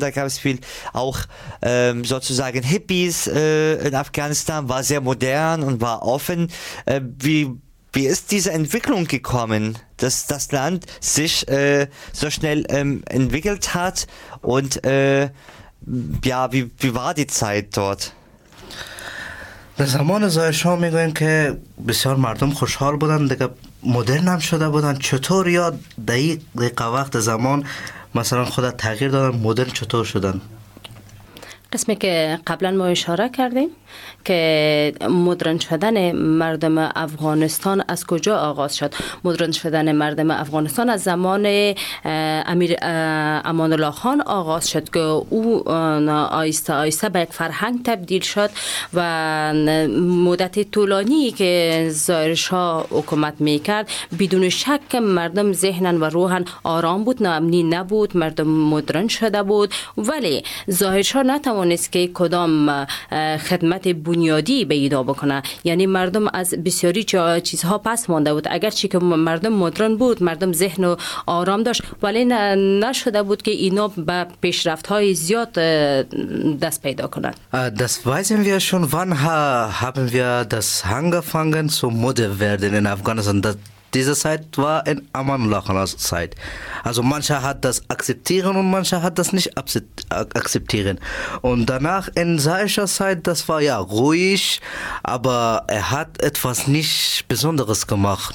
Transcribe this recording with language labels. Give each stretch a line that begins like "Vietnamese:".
German: Da gab es viel auch sozusagen Hippies in Afghanistan, war sehr modern und war offen. Wie ist diese Entwicklung gekommen, dass das Land sich so schnell entwickelt hat und ja, wie war die Zeit dort?
Persian: در زمان ظاهر شاه میگوین که بسیار مردم خوشحال بودن، دیگه مدرن هم شده بودن. چطور یا در دقیقه وقت زمان مثلا خود تغییر دادن، مدرن چطور شدن؟ قسمی که قبلا ما اشاره کردیم که مدرن شدن مردم افغانستان از کجا آغاز شد؟ مدرن شدن مردم افغانستان از زمان امیر امان الله خان آغاز شد که او آیسته آیسته به یک فرهنگ تبدیل شد و مدت طولانی که ظاهر شاه حکومت می کرد بدون شک مردم ذهنن و روحن آرام بود، ناامنی نبود، مردم مدرن شده بود، ولی ظاهر شاه نتوانست که کدام خدمت بنیادی پیدا بکنه، یعنی مردم از بسیاری چیزها پس مانده بود. اگرچه که مردم مدرن بود، مردم ذهن و آرام داشت، ولی نشده بود که اینا به پیشرفت های زیاد دست پیدا کنند.
German: Das weisen wir schon, wann haben wir das angefangen zu Mode werden in Afghanistan? Diese Zeit war in Aman Allah Khan's Zeit. Also manche hat das akzeptieren und manche hat das nicht akzeptieren. Und danach in Saishas Zeit, das war ja ruhig, aber er hat etwas nicht Besonderes gemacht.